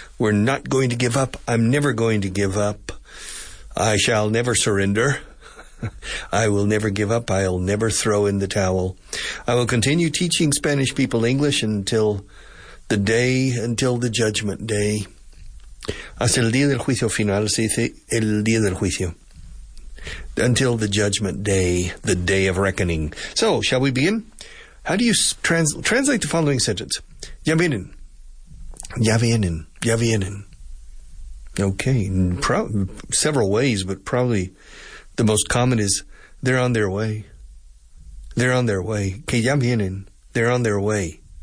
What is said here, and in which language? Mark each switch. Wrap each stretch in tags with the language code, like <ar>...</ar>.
<en>We're not going to give up. I'm never going to give up. I shall never surrender. I will never give up. I'll never throw in the towel. I will continue teaching Spanish people English until the judgment day.</en> <es>Hasta el día del juicio final, se dice el día del juicio.</es> <en>Until the judgment day, the day of reckoning. So, shall we begin? How do you translate the following sentence?</en> <es>Ya vienen. Ya vienen. Ya vienen.</es> <en>Okay. Several ways, but probably the most common is they're on their way. They're on their way.</en> <es>Que ya vienen.</es> <en>They're on their way.</en>